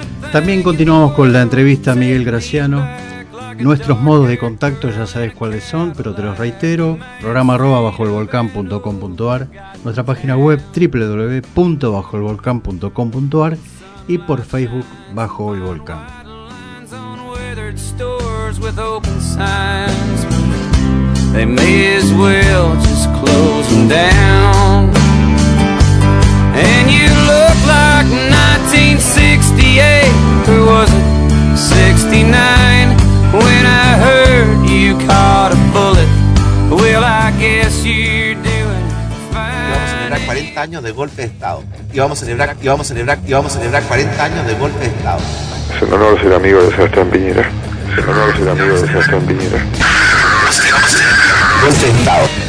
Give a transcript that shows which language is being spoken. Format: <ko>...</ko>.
<es>También continuamos con la entrevista a Miguel Graciano. Nuestros modos de contacto ya sabes cuáles son, pero te los reitero: programa@bajoelvolcan.com.ar, nuestra página web www.bajoelvolcan.com.ar y por Facebook Bajo el Volcán.</es> <en>They may as well just close them down. And you look like 1968, or was it 69, when I heard you caught a bullet. Well, I guess you're doing fine.</en> <es>Vamos a celebrar 40 años de golpe de Estado. Y vamos a celebrar 40 años de golpe de Estado. Es un honor ser amigo de Sebastián Piñera. Es un honor ser amigo de Sebastián Piñera. Estado.</es>